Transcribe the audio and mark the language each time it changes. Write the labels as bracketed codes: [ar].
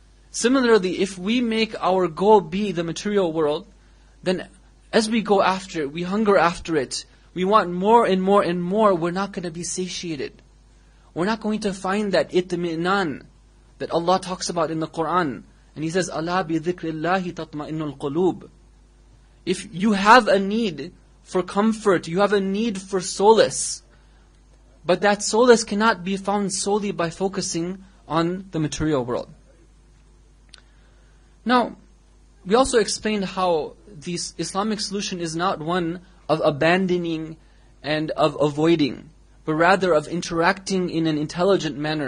[en] Similarly, if we make our goal be the material world, then as we go after it, we hunger after it, we want more and more and more, we're not going to be satiated. We're not going to find that itminan that Allah talks about in the Quran. And He says, [ar] أَلَا بِذِكْرِ اللَّهِ تَطْمَئِنُّ الْقُلُوبِ. [en] If you have a need for comfort, you have a need for solace, but that solace cannot be found solely by focusing on the material world. Now, we also explained how the Islamic solution is not one of abandoning and of avoiding, but rather of interacting in an intelligent manner.